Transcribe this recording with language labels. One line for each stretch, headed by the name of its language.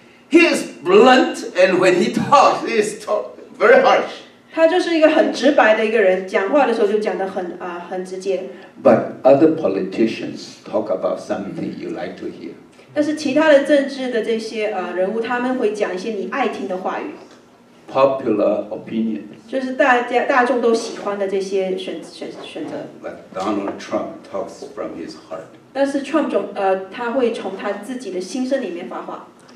English: He is blunt, and when he talks, he is talk very harsh.
Chinese: 他就是一个很直白的一个人，讲话的时候就讲得很直接。
English: But other politicians talk about something you like to hear.
Chinese: 但是其他的政治的这些人物，他们会讲一些你爱听的话语。
English: Popular opinion.
Chinese: 就是大众都喜欢的这些选择。
English: But Donald Trump talks from his heart.
Chinese: 但是 Trump 总他会从他自己的心声里面发话。